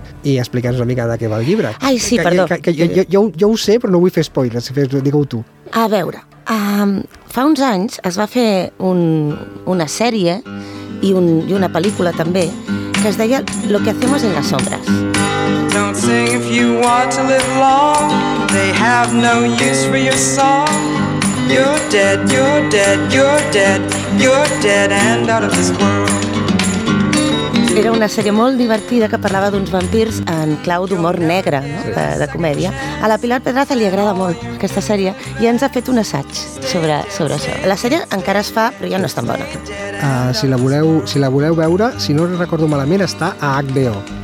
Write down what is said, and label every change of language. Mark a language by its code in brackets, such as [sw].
[ca] I explica'ns una mica de què va el llibre. Ai, sí, perdó. Jo ho sé, però no vull fer spoilers, digue-ho tu. A veure, fa uns anys es va fer una sèrie i una pel·lícula també que es deia Lo que hacemos en las sombras. [en] Don't sing if you want to live long. They have no use for your song. You're dead, you're dead, you're dead. You're dead and out of this world. [ca] Era una sèrie molt divertida que parlava d'uns vampirs en clau d'humor negre, no? de comèdia. A la Pilar Pedraza li agrada molt aquesta sèrie i ens ha fet un assaig sobre això. La sèrie encara es fa, però ja no és tan bona. Si la voleu veure, si no recordo malament, està a HBO.